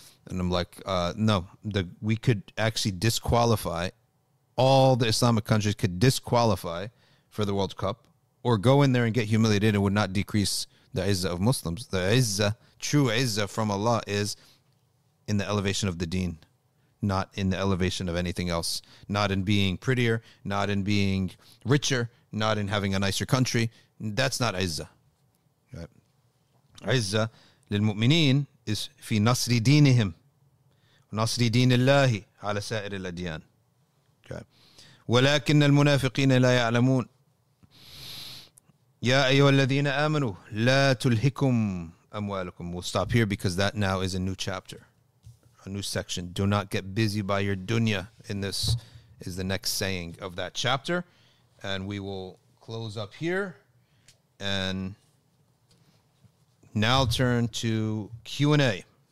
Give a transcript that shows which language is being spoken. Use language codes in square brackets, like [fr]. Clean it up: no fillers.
[en] And I'm like, we could actually disqualify, all the Islamic countries could disqualify for the World Cup, or go in there and get humiliated, and would not decrease the izzah of Muslims. The izzah, true izzah from Allah, is in the elevation of the deen, not in the elevation of anything else. Not in being prettier, not in being richer, not in having a nicer country. That's not izzah. Right? [ar] Izzah للمؤمنين is في نصر دينهم ونصر دين الله على سائر الأديان. ولكن المنافقين لا يعلمون. يا أيها الذين آمنوا لا تلهكم أموالكم. [en] We'll stop here because that now is a new chapter, a new section. Do not get busy by your dunya. In this is the next saying of that chapter, and we will close up here and now turn to Q&A.